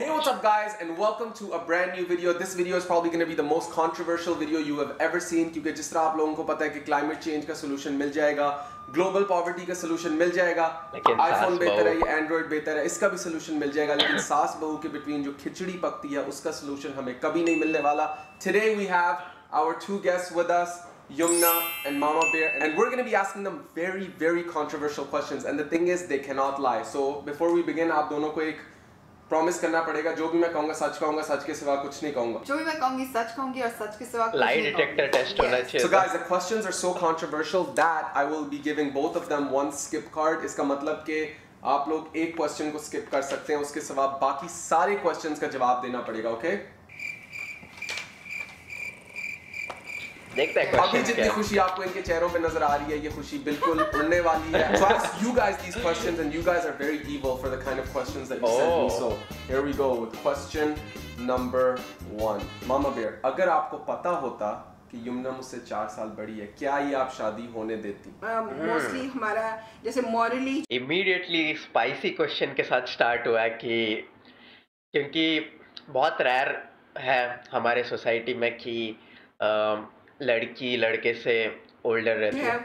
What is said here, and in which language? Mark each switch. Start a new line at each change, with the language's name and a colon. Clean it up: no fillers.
English: Hey what's up guys and welcome to a brand new video. This video is probably gonna be the most controversial video you have ever seen,
Hindi: क्योंकि जिस तरह आप लोगों को पता है कि क्लाइमेट चेंज का सलूशन मिल जाएगा, ग्लोबल पॉवर्टी का सलूशन मिल जाएगा, आईफोन बेहतर है या एंड्रॉइड बेहतर है इसका भी सलूशन मिल जाएगा, लेकिन सास बहू के बिटवीन जो खिचड़ी पकती है उसका सलूशन हमें कभी नहीं मिलने वाला।
English: Today we have our two guest with us, Yumna and Mama Bear, and we're going to be asking them very, very controversial questions. And the thing is, they cannot lie. So before we begin,
Hindi: आप दोनों को एक promise करना पड़ेगा, जो भी मैं कहूँगा सच कहूँगा, सच के सिवा कुछ नहीं कहूँगा। जो भी मैं कहूँगी सच कहूँगी और सच के सिवा कुछ नहीं। Lie detector test होना चाहिए।
English: So guys, the questions are so controversial that I will be giving both of them one skip card.
Hindi: इसका मतलब के आप लोग एक question को skip कर सकते हैं, उसके सिवा बाकी सारे questions का जवाब देना पड़ेगा, okay? अभी जितनी खुशी आपको इनके चेहरों पे नजर आ रही है, ये खुशी बिल्कुल उड़ने वाली है।
English: So ask you guys these questions and you guys are very evil for the kind of questions that you send me. So here we go with question number one.
Hindi: Mama Bear, अगर आपको पता होता कि यमुना मुझसे 4 साल बड़ी है, क्या ये आप शादी होने देती? मोस्टली हमारा जैसे मॉरली इमीडिएटली स्पाइसी क्वेश्चन के साथ स्टार्ट हुआ है कि क्योंकि बहुत रेयर है हमारे सोसाइटी में कि लड़की लड़के से ओल्डर रहती है।